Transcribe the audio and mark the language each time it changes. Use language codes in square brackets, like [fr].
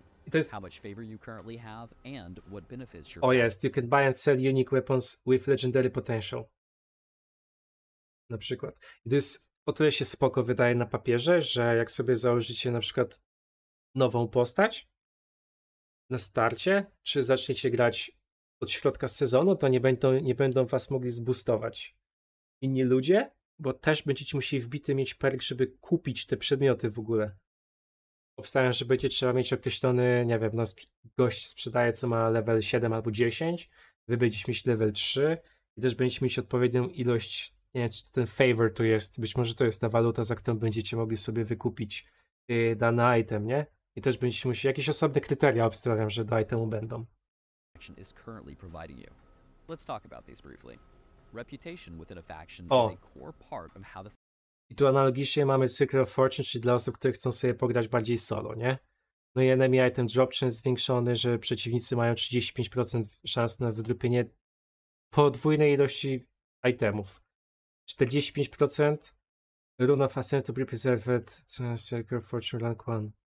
[pl] To jest... [en] How much favor you currently have and what benefits your... Oh yes, you can buy and sell unique weapons with legendary potential. [pl] Na przykład. I to jest o tyle się spoko wydaje na papierze, że jak sobie założycie na przykład nową postać na starcie, czy zaczniecie grać od środka sezonu, to nie będą was mogli zboostować inni ludzie, bo też będziecie musieli wbity mieć perk, żeby kupić te przedmioty w ogóle. Obstawiam, że będzie trzeba mieć określony, nie wiem, no gość sprzedaje, co ma level 7 albo 10, wy będziecie mieć level 3 i też będziecie mieć odpowiednią ilość, nie wiem, ten favor to jest, być może to jest ta waluta, za którą będziecie mogli sobie wykupić dany item, nie? I też będziecie musieli jakieś osobne kryteria obstawiam, że do itemu będą. [en] Is currently providing you. Let's talk about these briefly. Reputation within a faction is a O. core part of how the [pl] I tu analogicznie mamy Circle of Fortune, czyli dla osób, które chcą sobie pograć bardziej solo, nie? No i [en] enemy item drop chance [pl] zwiększony, że przeciwnicy mają 35% szans na wydrupienie podwójnej ilości itemów. [en] 45% Rune of Ascent to be preserved Circle of Fortune rank 1.